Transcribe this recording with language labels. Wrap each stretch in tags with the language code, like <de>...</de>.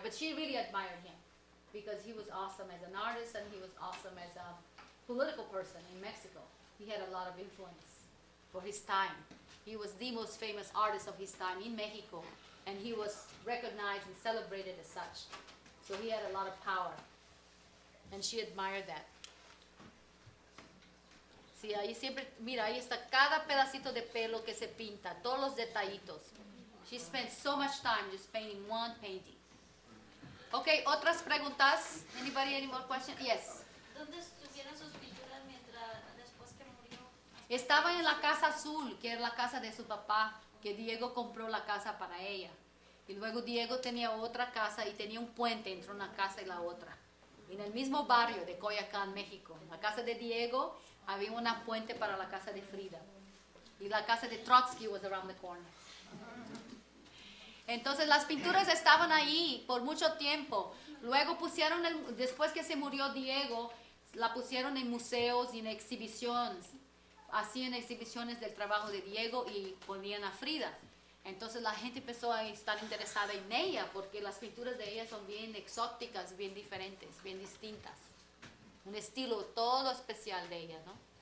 <en>But she really admired him because he was awesome as an artist, and he was awesome as a political person in Mexico. He had a lot of influence for his time. He was the most famous artist of his time in Mexico, and he was recognized and celebrated as such. So he had a lot of power, and she admired that.</en> <es>Sí, ahí siempre, mira, ahí está cada pedacito de pelo que se pinta, todos los detallitos.</es> <en>She spent so much time just painting one painting. Okay,</en> <es>otras preguntas?</es> <en>Anybody, any more questions? Yes.</en> <es>¿Dónde estuvieron sus pinturas mientras la esposa que murió? Estaba en la Casa Azul, que era la casa de su papá, que Diego compró la casa para ella. Y luego Diego tenía otra casa y tenía un puente entre una casa y la otra. En el mismo barrio de Coyoacán, México. En la casa de Diego había una puente para la casa de Frida. Y la casa de Trotsky</es> <en>was around the corner.</en> <es>Entonces las pinturas estaban ahí por mucho tiempo. Luego pusieron, después que se murió Diego, la pusieron en museos y en exhibiciones. Hacían exhibiciones del trabajo de Diego y ponían a Frida. Entonces la gente empezó a estar interesada en ella porque las pinturas de ella son bien exóticas, bien diferentes, bien distintas. Un estilo todo especial de ella, ¿no?</es>